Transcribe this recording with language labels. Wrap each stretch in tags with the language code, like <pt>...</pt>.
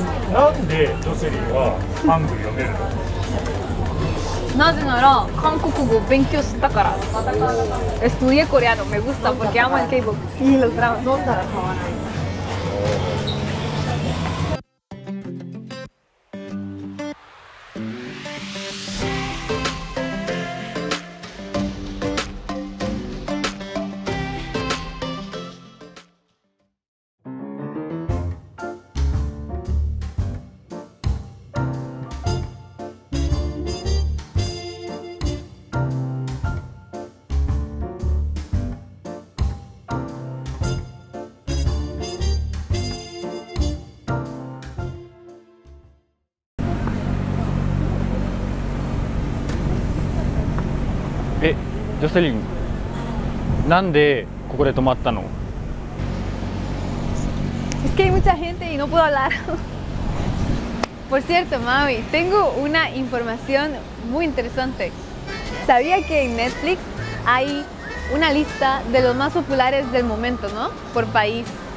<ja>なんでジョセリンはハングル読めるの？なぜなら韓国語を勉強したから。</ja> <es>Estudié coreano, me gusta porque amo el K-pop. Y los dramas. ¿Dónde la tomas?</es> <ja>ジョセリン、なんでここで泊まったの？</ja> <es>Es que hay mucha gente y no puedo hablar. Por cierto, Maui, tengo una información muy interesante. Sabía que en Netflix hay una lista de los más populares del momento, ¿no? Por país.</es>